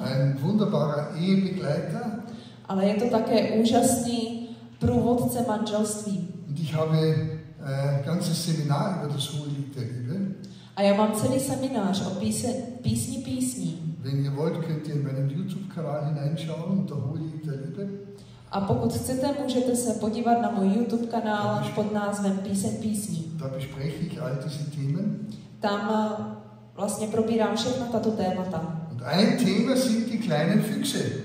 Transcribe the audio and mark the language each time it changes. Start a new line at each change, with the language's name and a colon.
German: Ein wunderbarer Ehebegleiter.
Czech: Ale je to také úžasný průvodce manželství.
German: Und ich habe ganzes Seminar über das Hohelied der Liebe.
Czech: A já mám celý seminář o písni písní.
German: Wenn ihr wollt, könnt ihr in meinem YouTube-Kanal hineinschauen, der Hohelied der Liebe.
Czech: A pokud chcete, můžete se podívat na můj YouTube kanál pod názvem Píseň písní.
German: Da bespreche ich all diese Themen.
Czech: Tam vlastně probírám všechna tato témata.
German: Und ein Thema sind die kleinen Füchse.